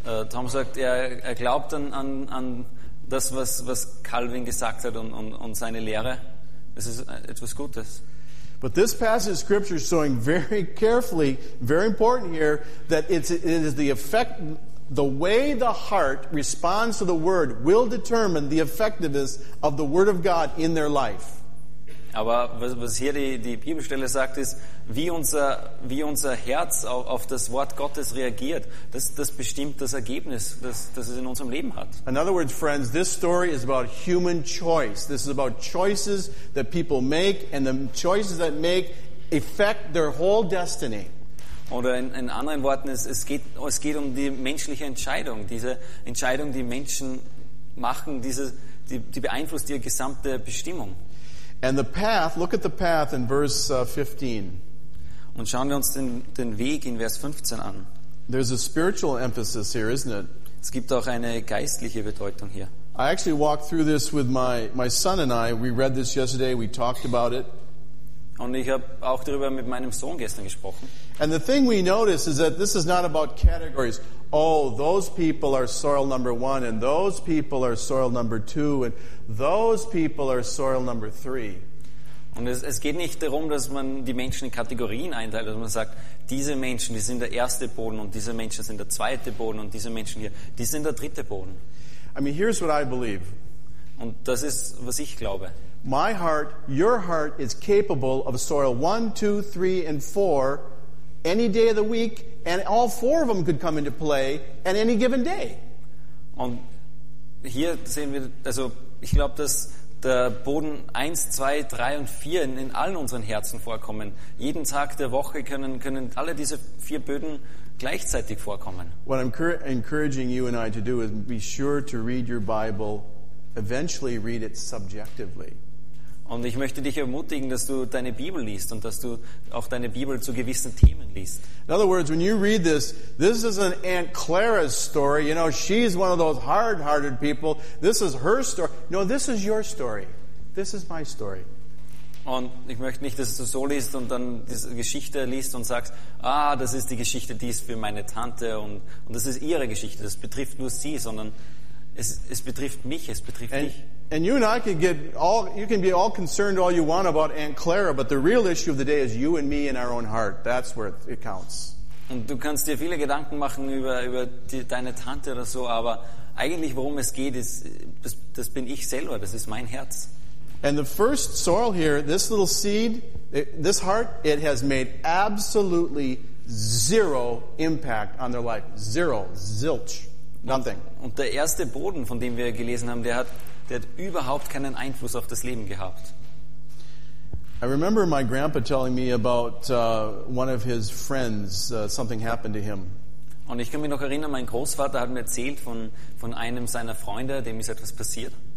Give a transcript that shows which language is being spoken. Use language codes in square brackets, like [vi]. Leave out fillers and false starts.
[de] Tom sagt, er glaubt an das, was Calvin gesagt hat und seine Lehre. Es ist etwas Gutes. [en] But this passage of Scripture is showing very carefully, very important here, that it is the effect. The way the heart responds to the word will determine the effectiveness of the word of God in their life. [de] Aber was hier die Bibelstelle sagt, ist, wie unser Herz auf das Wort Gottes reagiert, das bestimmt das Ergebnis, das es in unserem Leben hat. [en] In other words, friends, this story is about human choice. This is about choices that people make, and the choices that make affect their whole destiny. [de] Oder in anderen Worten, es geht um die menschliche Entscheidung. Diese Entscheidung, die Menschen machen, die beeinflusst ihre gesamte Bestimmung. [en] And the path, look at the path in verse 15. [de] Und schauen wir uns den Weg in Vers 15 an. [en] There's a spiritual emphasis here, isn't it? [de] Es gibt auch eine geistliche Bedeutung hier. [en] I actually walked through this with my son and I. We read this yesterday, we talked about it. [de] Und ich habe auch darüber mit meinem Sohn gestern gesprochen. [en] And the thing we notice is that this is not about categories. Oh, those people are soil number one, and those people are soil number two, and those people are soil number three. [de] Und es geht nicht darum, dass man die Menschen in Kategorien einteilt, dass man sagt, diese Menschen, die sind der erste Boden, und diese Menschen sind der zweite Boden, und diese Menschen hier, die sind der dritte Boden. [en] I mean, here's what I believe. [de] Und das ist, was ich glaube. [en] My heart, your heart is capable of soil 1, 2, 3, and 4 any day of the week, and all four of them could come into play at any given day. [de] Und hier sehen wir, also ich glaube, dass der Boden 1, 2, 3 und 4 in allen unseren Herzen vorkommen. Jeden Tag der Woche können alle diese vier Böden gleichzeitig vorkommen. [en] What I'm encouraging you and I to do is be sure to read your Bible, eventually read it subjectively. [de] Und ich möchte dich ermutigen, dass du deine Bibel liest und dass du auch deine Bibel zu gewissen Themen liest. [en] In other words, when you read this, this is an Aunt Clara's story. You know, she's one of those hard-hearted people. This is her story. No, this is your story. This is my story. [de] Und ich möchte nicht, dass du so liest und dann diese Geschichte liest und sagst, ah, das ist die Geschichte, die ist für meine Tante und das ist ihre Geschichte. Das betrifft nur sie, sondern es betrifft mich, es betrifft dich. [en] And you and I can get all, you can be all concerned all you want about Aunt Clara, but the real issue of the day is you and me in our own heart. That's where it counts. [de] Und du kannst dir viele Gedanken machen über deine Tante oder so, aber eigentlich worum es geht, ist, das bin ich selber, das ist mein Herz. [en] And the first soil here, this little seed, this heart, it has made absolutely zero impact on their life. Zero. Zilch. Nothing. [de] Und der erste Boden, von dem wir gelesen haben, der hat überhaupt keinen Einfluss auf das Leben gehabt. [en] I remember my grandpa telling me about one of his friends, something happened to him. [de] Und ich kann mich noch erinnern, mein Großvater hat mir erzählt von einem seiner Freunde, dem ist etwas passiert.